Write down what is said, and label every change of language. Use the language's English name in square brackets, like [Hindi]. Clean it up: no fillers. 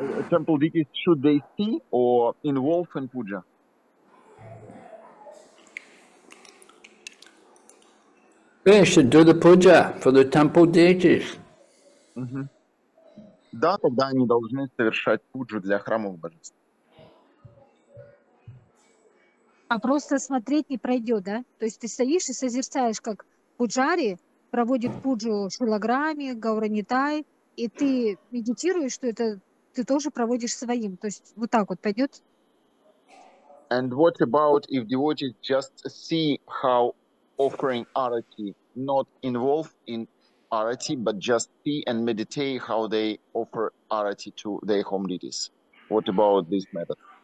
[English] Temple deities, should they see or involve in puja? They should do the puja for the temple deities. [Russian] Да, тогда они должны совершать пуджу для храмовых божеств. А просто смотреть не пройдет, да? То есть ты стоишь и созерцаешь, как пуджари проводит пуджу Шилограмме, Гауранитай, и ты медитируешь, что это ты тоже проводишь своим. То есть вот так вот пойдет? [English] And what about if devotees just see how offering arati, not involved in arati, but just see and meditate how they offer arati to their home deities. What about this method?